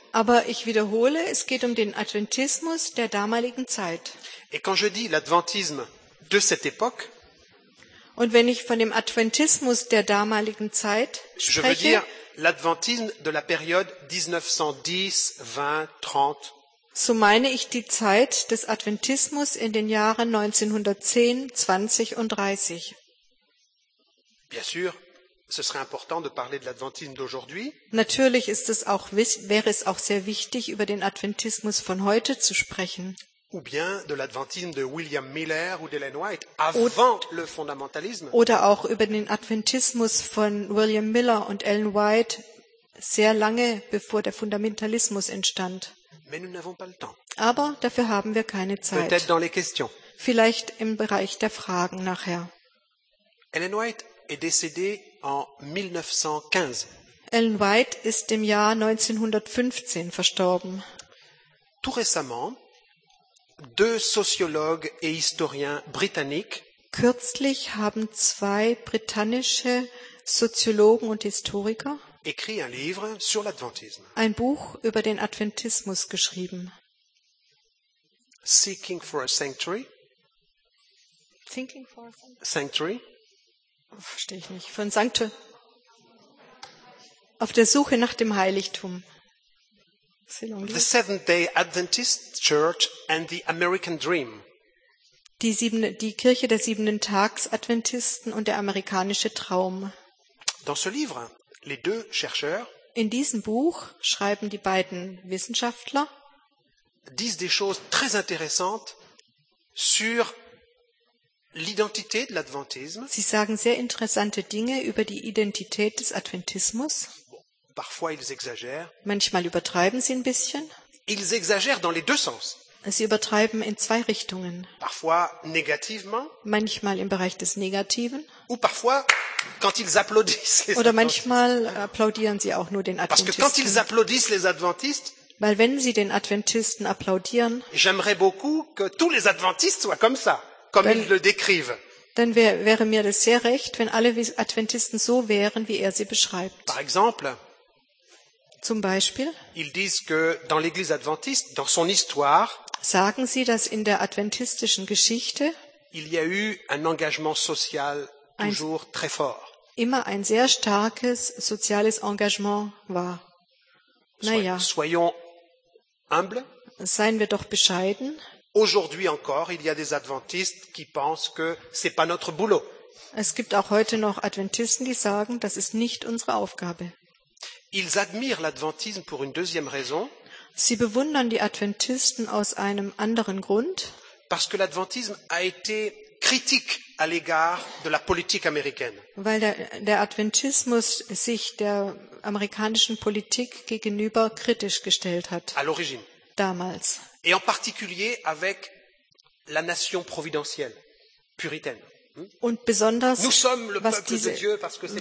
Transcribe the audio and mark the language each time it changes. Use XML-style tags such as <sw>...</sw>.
<de>Aber ich wiederhole, es geht um den Adventismus der damaligen Zeit.</de> <fr>Et quand je dis l'adventisme de cette époque,</fr> <de>und wenn ich von dem Adventismus der damaligen Zeit spreche,</de> <fr>je veux dire l'adventisme de la période 1910, 20, 30.</fr> <de>So meine ich die Zeit des Adventismus in den Jahren 1910, 20 und 30.</de> <fr>Bien sûr, ce serait important de parler de l'adventisme d'aujourd'hui.</fr> <de>Natürlich ist es auch, wäre es auch sehr wichtig, über den Adventismus von heute zu sprechen.</de> <fr>Ou bien de l'adventisme de William Miller ou d'Ellen White avant le fondamentalisme.</fr> <de>Oder auch über den Adventismus von William Miller und Ellen White sehr lange bevor der Fundamentalismus entstand.</de> <fr>Mais nous n'avons pas le temps.</fr> <de>Aber dafür haben wir keine Zeit.</de> <fr>Peut-être dans les questions.</fr> <de>Vielleicht im Bereich der Fragen nachher.</de> <fr>Ellen White est décédée en 1915.</fr> <de>Ellen White ist im Jahr 1915 verstorben.</de> <fr>Tout récemment, deux sociologues et historiens britanniques.</fr> <de>Kürzlich haben zwei britannische Soziologen und Historiker</de> <fr>écrit un livre sur l'adventisme.</fr> <de>Ein Buch über den Adventismus geschrieben.</de> <en>Seeking for a sanctuary. Thinking for a sanctuary.</en> <de>Verstehe ich nicht. Von Sankte. Auf der Suche nach dem Heiligtum.</de> <en>The Seventh-day Adventist Church and the American Dream.</en> <de>Die Kirche der siebenten Tags Adventisten und der amerikanische Traum.</de> <fr>Dans ce livre, les deux chercheurs,</fr> <de>in diesem Buch schreiben die beiden Wissenschaftler,</de> <fr>disent des choses très intéressantes sur l'identité de l'adventisme.</fr> <de>Sie sagen sehr interessante Dinge über die Identität des Adventismus.</de> <fr>Parfois ils exagèrent.</fr> <de>Manchmal übertreiben sie ein bisschen.</de> <fr>Ils exagèrent dans les deux sens.</fr> <de>Sie übertreiben in zwei Richtungen.</de> <fr>Parfois négativement.</fr> <de>Manchmal im Bereich des Negativen.</de> <fr>Ou parfois quand ils applaudissent.</fr> <de>Oder manchmal applaudieren sie auch nur den Adventisten.</de> <fr>Parce que quand ils applaudissent les Adventistes.</fr> <de>Weil wenn sie den Adventisten applaudieren.</de> <fr>J'aimerais beaucoup que tous les Adventistes soient comme ça, comme ils le décrivent.</fr> <de>Dann wäre mir das sehr recht, wenn alle Adventisten so wären, wie er sie beschreibt.</de> <fr>Par exemple.</fr> <de>Zum Beispiel.</de> <fr>Ils disent que dans l'Église adventiste, dans son histoire.</fr> <de>Sagen sie, dass in der adventistischen Geschichte.</de> <fr>Il y a eu un engagement social toujours très fort.</fr> <de>Immer ein sehr starkes soziales Engagement war. Naja.</de> <fr>Soyons humbles.</fr> <de>Seien wir doch bescheiden.</de> <fr>Aujourd'hui encore, il y a des adventistes qui pensent que c'est pas notre boulot.</fr> <de>Es gibt auch heute noch Adventisten, die sagen, das ist nicht unsere Aufgabe.</de> <fr>Ils admirent l'adventisme pour une deuxième raison.</fr> <de>Sie bewundern die Adventisten aus einem anderen Grund.</de> <fr>Parce que l'adventisme a été critique à l'égard de la politique américaine.</fr> <de>Weil der Adventismus sich der amerikanischen Politik gegenüber kritisch gestellt hat.</de> <fr>À l'origine.</fr> <de>Damals.</de> <fr>Et en particulier avec la nation providentielle puritaine.</fr> <de>Und besonders,</de> <fr>nous sommes le peuple de Dieu parce que c'est</fr>